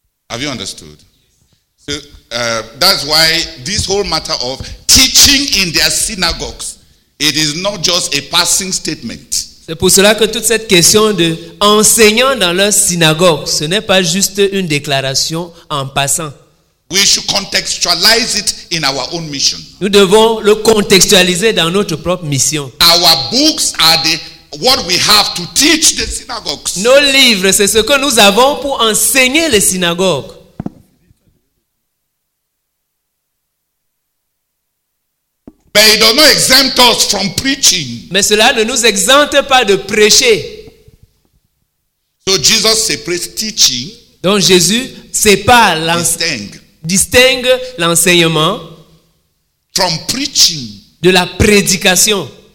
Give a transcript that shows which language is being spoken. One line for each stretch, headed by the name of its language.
English: Have you understood? So that's why this whole matter of teaching in their synagogues, it is not just a passing statement.
French: C'est pour cela que toute cette question de enseignant dans leur synagogue, ce n'est pas juste une déclaration en passant.
English: We should contextualize it in our own mission.
French: Nous devons le contextualiser dans notre propre mission.
English: Our books are the what we have to teach the synagogues.
French: Nos livres, c'est ce que nous avons pour enseigner les synagogues.
English: But it does not exempt us from preaching.
French: Mais cela ne nous exempte pas de prêcher.
English: So Jesus separates teaching.
French: Donc Jésus sépare distingue l'enseignement
English: from preaching.
French: De la prédication.